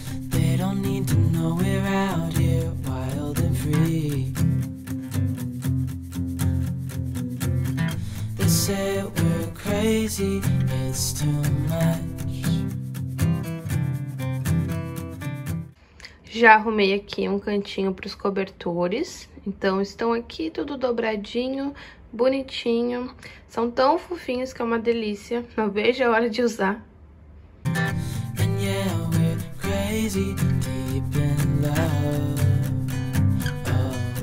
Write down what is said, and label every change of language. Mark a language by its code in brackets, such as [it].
[en] They don't need to know we're out here wild and free. They say we're crazy, it's too much. [pt] Já arrumei aqui um cantinho para os cobertores, então estão aqui tudo dobradinho, bonitinho. São tão fofinhos que é uma delícia, não vejo a hora de usar. [en] And yeah, we're crazy, deep in love. Oh.